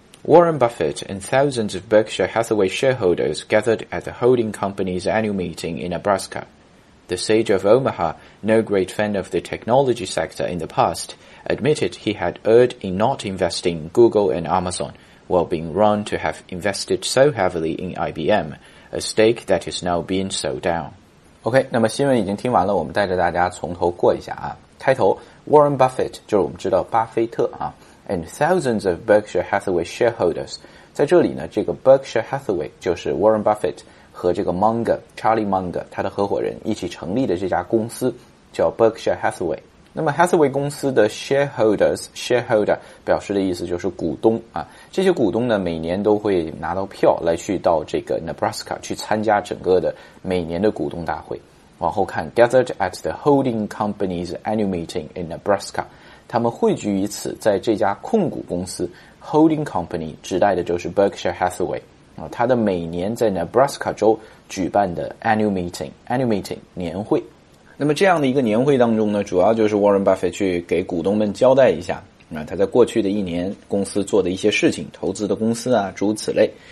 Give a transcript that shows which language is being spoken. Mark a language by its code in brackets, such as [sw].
[en] Warren Buffett and thousands of Berkshire Hathaway shareholders gathered at the holding company's annual meeting in Nebraska. The sage of Omaha, no great fan of the technology sector in the past, admitted he had erred in not investing in Google and Amazon, while being wrong to have invested so heavily in IBM, a stake that is now being sold down. [zh] OK, 那么新闻已经听完了，我们带着大家从头过一下啊。开头 ,Warren Buffett, 就是我们知道巴菲特啊。 [en] And thousands of Berkshire Hathaway shareholders. [zh] 在这里呢，这个 Berkshire Hathaway 就是 Warren Buffett 和这个 Munger, Charlie Munger, 他的合伙人一起成立的这家公司叫 Berkshire Hathaway。那么 Hathaway 公司的 shareholders, shareholder 表示的意思就是股东啊。这些股东呢，每年都会拿到票来去到这个 Nebraska 去参加整个的每年的股东大会。往后看 [en] ,gathered at the holding company's annual meeting in Nebraska. [zh] 他们汇聚于此，在这家控股公司 Holding Company 指代的就是 Berkshire Hathaway 啊，它的每年在 Nebraska 州举办的 Annual Meeting 年会。那么这样的一个年会当中呢，主要就是 Warren Buffett 去给股东们交代一下啊，他在过去的一年公司做的一些事情，投资的公司啊，诸此类。